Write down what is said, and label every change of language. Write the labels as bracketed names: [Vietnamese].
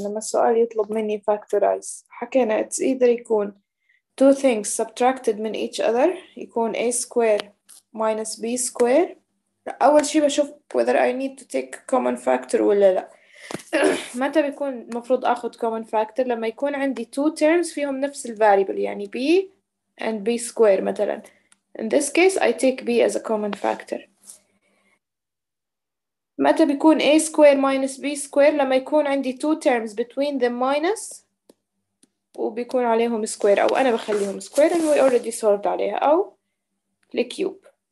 [Arabic] لما السؤال يطلب مني [English] factorize، [Arabic] حكينا [English] it's either يكون two things subtracted من each other، يكون a square minus b square. [Arabic] أول شيء بشوف [English] whether I need to take common factor [Arabic] ولا لا. متى بيكون المفروض أخذ common factor؟ لما يكون عندي [English] two terms [Arabic] فيهم نفس الـ variable، يعني [English] b and b square [Arabic] مثلا. [English] In this case I take b as a common factor. [Arabic] متى بيكون [English] a square minus b square؟ [Arabic] لما يكون عندي [English] two terms between them minus [Arabic] وبيكون عليهم [English] square، [Arabic] أو أنا بخليهم [English] square and we already solved عليها، أو الكيوب.